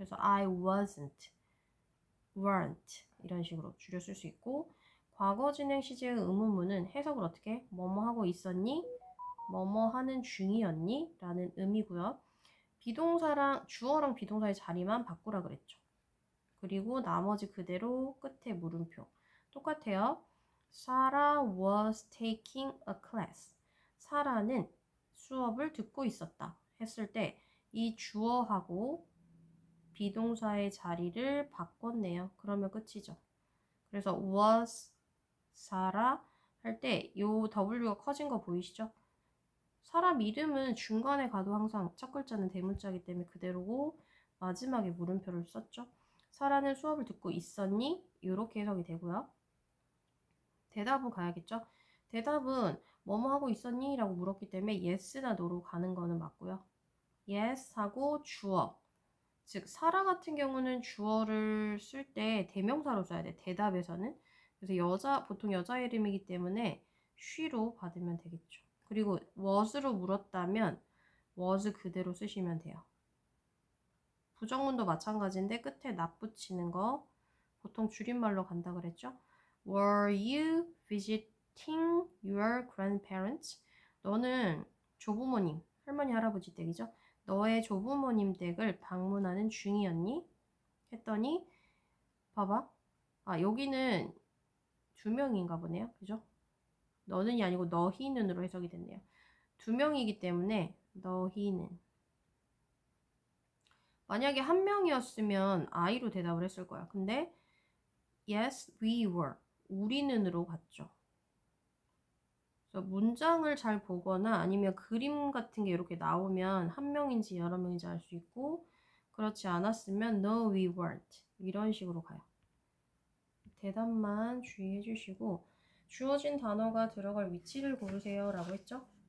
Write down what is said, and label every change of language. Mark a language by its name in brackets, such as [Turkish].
[Korean] 그래서 [English] I wasn't, weren't [Korean] 이런 식으로 줄여 쓸수 있고, 과거진행 시제의 의문문은 해석을 어떻게 해? 뭐뭐 하고 있었니? 뭐뭐 하는 중이었니? 라는 의미고요. 비동사랑 주어랑 비동사의 자리만 바꾸라 그랬죠. 그리고 나머지 그대로 끝에 물음표. 똑같아요. [English] Sarah was taking a class. [Korean] 사라는 수업을 듣고 있었다 했을 때이 주어하고 비동사의 자리를 바꿨네요. 그러면 끝이죠. 그래서 was Sarah 할때요 W가 커진 거 보이시죠? 사람 이름은 중간에 가도 항상 첫 글자는 대문자이기 때문에 그대로고 마지막에 물음표를 썼죠. 사라는 수업을 듣고 있었니? 이렇게 해석이 되고요. 대답은 가야겠죠? 대답은 뭐뭐 하고 있었니? 라고 물었기 때문에 yes나 no로 가는 거는 맞고요. yes 하고 주어. 즉, 사라 같은 경우는 주어를 쓸때 대명사로 써야 돼. 대답에서는. 그래서 여자, 보통 여자 이름이기 때문에 she로 받으면 되겠죠. 그리고 was로 물었다면 was 그대로 쓰시면 돼요. 부정문도 마찬가지인데 끝에 not 붙이는 거 보통 줄임말로 간다 그랬죠? [English] Were you visiting your grandparents? [Korean] 너는 조부모님, 할머니 할아버지 댁이죠? 너의 조부모님 댁을 방문하는 중이었니? 했더니 봐봐. 아, 여기는 두 명인가 보네요. 그죠? 너는이 아니고 너희는으로 해석이 됐네요. 두 명이기 때문에 너희는. 만약에 한 명이었으면 I로 대답을 했을 거야. [English] 근데 yes, we were. [Korean] 우리는으로 갔죠. 그래서 문장을 잘 보거나 아니면 그림 같은 게 이렇게 나오면 한 명인지 여러 명인지 알수 있고, 그렇지 않았으면 [English] no, we weren't. [Korean] 이런 식으로 가요. 대답만 주의해 주시고, 주어진 단어가 들어갈 위치를 고르세요 라고 했죠.